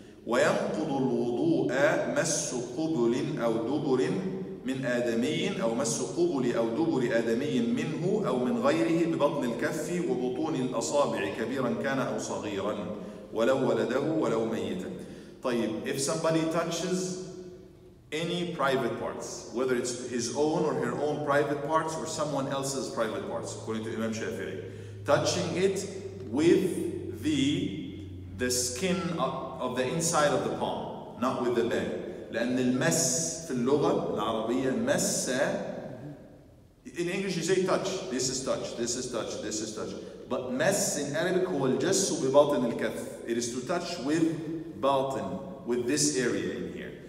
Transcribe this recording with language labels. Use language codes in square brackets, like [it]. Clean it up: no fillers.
[ar] وينقض الوضوء مس قبل أو دبر من آدمي أو مس قبل أو دبر آدمي منه أو من غيره ببطن الكف وبطون الأصابع كبيرا كان أو صغيرا ولو ولده ولو ميتا. [en] طيب, if somebody touches any private parts, whether it's his own or her own private parts or someone else's private parts, according to Imam Shafi'i, touching it with the skin of the inside of the palm, not with the bag. [ar] لأن المس في اللغة العربية مس. [en] In English you say touch, this is touch, this is touch, this is touch. But mess in Arabic [ar] هو الجس بباطن الكف. [en] It is to touch with باطن, with this area in here.